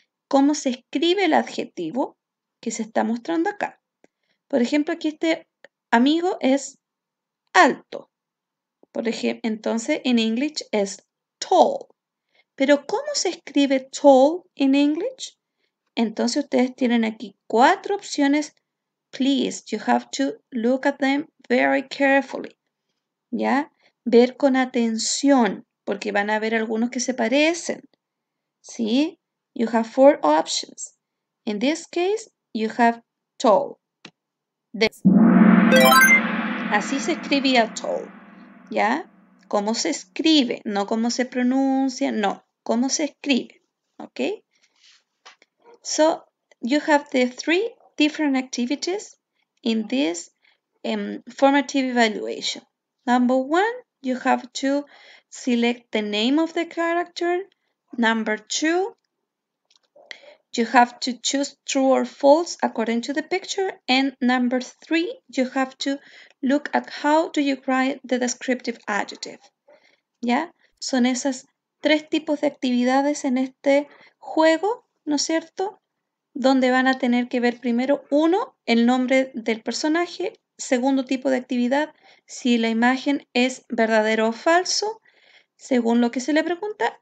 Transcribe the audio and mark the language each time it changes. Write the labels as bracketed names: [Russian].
[Spanish] ¿Cómo se escribe el adjetivo que se está mostrando acá? Por ejemplo, aquí este amigo es alto. Por ejemplo, entonces en English es tall. Pero ¿cómo se escribe tall en English? Entonces ustedes tienen aquí cuatro opciones [English] please, you have to look at them very carefully. [Spanish] ¿Ya? Ver con atención, porque van a ver algunos que se parecen. [English] ¿Sí? You have four options. In this case, you have tall. [Spanish] Así se escribía tall. ¿Ya? ¿Cómo se escribe? No cómo se pronuncia. No. ¿Cómo se escribe? ¿Ok? [English] So, you have the three different activities in this formative evaluation. Number one, you have to select the name of the character. Number two, you have to choose true or false according to the picture. And number three, you have to look at how do you write the descriptive adjective. [Spanish] ¿Ya? Son esas tres tipos de actividades en este juego, ¿no es cierto? Donde van a tener que ver primero, uno, el nombre del personaje. Segundo tipo de actividad, si la imagen es verdadero o falso, según lo que se le pregunta.